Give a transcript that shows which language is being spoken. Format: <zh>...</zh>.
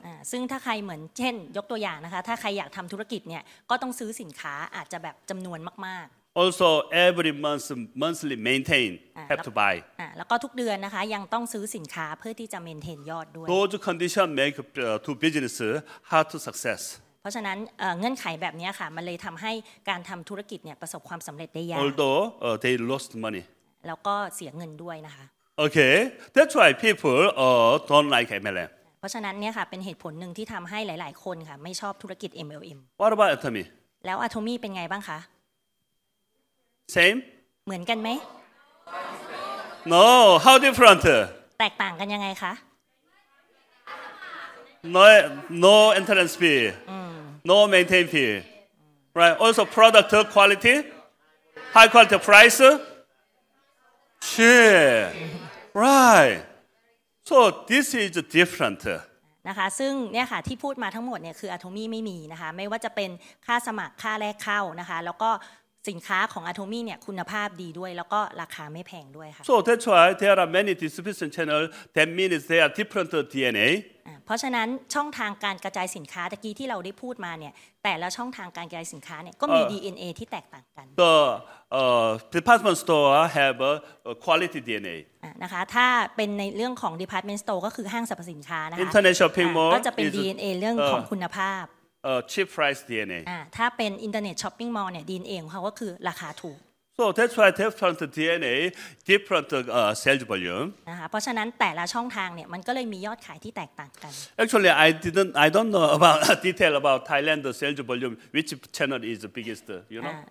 <th>ซึ่งถ้าใครเหมือนเช่นยกตัวอย่างนะคะถ้าใครอยากทำธุรกิจเนี่ยก็ต้องซื้อสินค้าอาจจะแบบจำนวนมาก</th> <en>ๆ Also every monthly maintain have to buy.</en> <th>แล้วก็ทุกเดือนนะคะยังต้องซื้อสินค้าเพื่อที่จะ maintain ยอดด้วย</th> <en>Those condition make to business hard to success.</en> <th>เพราะฉะนั้นเงื่อนไขแบบนี้ค่ะมันเลยทำให้การทำธุรกิจเนี่ยประสบความสำเร็จได้ยาก</th> <en>Although they lost money</en> <th>แล้วก็เสียเงินด้วยนะคะ</th> <en>Okay that's why people don't like MLM</en> <th>เพราะฉะนั้นเนี่ยค่ะเป็นเหตุผลหนึ่งที่ทำให้หลายๆคนค่ะไม่ชอบธุรกิจ MLM</th> <en>What about Atomy</en> <th>แล้ว Atomy เป็นไงบ้างคะ</th> <en>Same</en> <th>หมือนกันไหม</th> <en>No, how different?</en> <th>แตกต่างกันยังไงคะ</th> <en>No entrance fee. No maintain fee. Right. Also product quality, high quality price. Sure. Right. So this is different.</en> <th>นะคะซึ่งเนี่ยค่ะที่พูดมาทั้งหมดเนี่ยคืออโทมี่ไม่มีนะคะไม่ว่าจะเป็นค่าสมัครค่าแรกเข้านะคะแล้วก็สินค้าของอโทมี่เนี่ยคุณภาพดีด้วยแล้วก็ราคาไม่แพงด้วยค่ะ</th> <en>So that's why there are many distribution channel that means there are different DNA</en> <th>เพราะฉะนั้นช่องทางการกระจายสินค้าตะกี้ที่เราได้พูดมาเนี่ยแต่ละช่องทางการกระจายสินค้าเนี่ยก็มี DNA ที่แตกต่างกัน</th> <en>The department store have a quality DNA</en> <th>นะคะถ้าเป็นในเรื่องของ department store ก็คือห้างสรรพสินค้านะคะ</th> <en>Internet shopping mall</en> <th>ก็จะเป็น DNA เรื่องของคุณภาพ</th> <en>cheap price DNA</en> <th>ถ้าเป็น internet shopping mall เนี่ย DNA ของเขาก็คือราคาถูก</th> <en>so that's why different DNA different sales volume</en> <th>นะคะเพราะฉะนั้นแต่ละช่องทางเนี่ยมันก็เลยมียอดขายที่แตกต่างกัน</th> <en>actually I don't know about detail about Thailand sales volume which channel is the biggest you know</en>